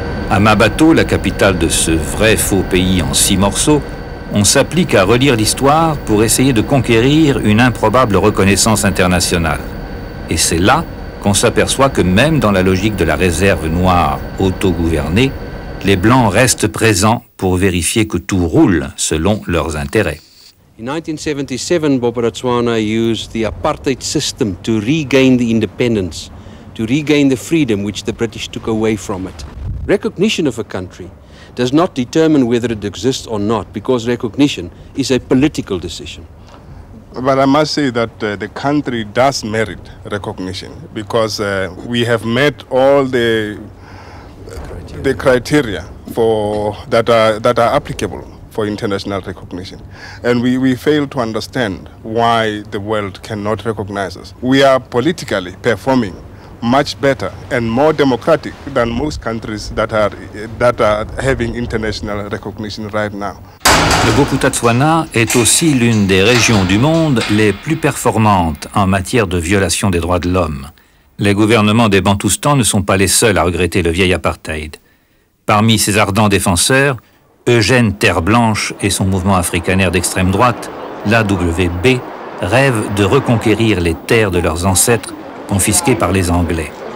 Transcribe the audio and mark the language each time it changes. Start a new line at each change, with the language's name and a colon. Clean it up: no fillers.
French: À Mabato, la capitale de ce vrai faux pays en 6 morceaux, on s'applique à relire l'histoire pour essayer de conquérir une improbable reconnaissance internationale. Et c'est là qu'on s'aperçoit que même dans la logique de la réserve noire autogouvernée, les Blancs restent présents pour vérifier que tout roule selon leurs intérêts.
English: In 1977, Boba Ratswana used the apartheid system to regain the independence, to regain the freedom which the British took away from it. Recognition of a country does not determine whether it exists or not, because recognition is a political decision. But I must say that the country does merit recognition, because we have met all the criteria for that are applicable for international recognition. And we fail to understand why the world cannot recognize us. We are politically performing much better and more democratic than most countries that are having international recognition right now.
French: Le Bophuthatswana est aussi l'une des régions du monde les plus performantes en matière de violation des droits de l'homme. Les gouvernements des Bantoustans ne sont pas les seuls à regretter le vieil apartheid. Parmi ses ardents défenseurs, Eugène Terre Blanche et son mouvement africanaire d'extrême droite, l'AWB, rêvent de reconquérir les terres de leurs ancêtres confisquées par les Anglais.